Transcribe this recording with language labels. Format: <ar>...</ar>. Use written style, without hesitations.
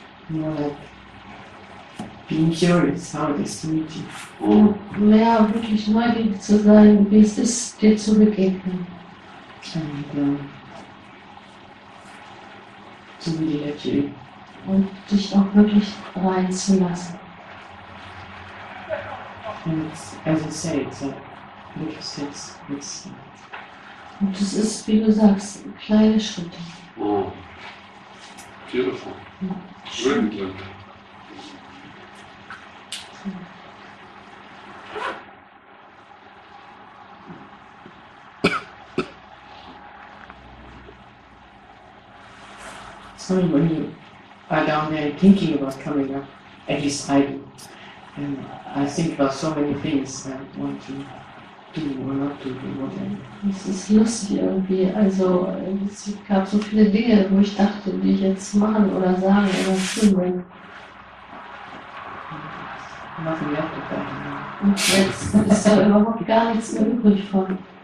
<en>More like being curious, how it is to meet you. Oh.</en> <de>Und mehr wirklich neugierig zu sein, wie es ist, dir zu begegnen.</de> <en>And, to really let you.</en> <de>Und dich auch wirklich reinzulassen. Und das ist, wie du sagst, kleine Schritte.</de> <en>Oh, beautiful.</en> <de>Ja. Schön.</de> <en>Sorry, when you are down there thinking about coming up, at least I do. And I think about so many things I want to do or not to do, whatever.</en> <de>Es ist lustig irgendwie, also es gab so viele Dinge, wo ich dachte, die ich jetzt machen oder sagen oder tun will.</de> <en>Nothing left of that.</en> <de>Und jetzt ist da überhaupt gar nichts mehr übrig von.</de>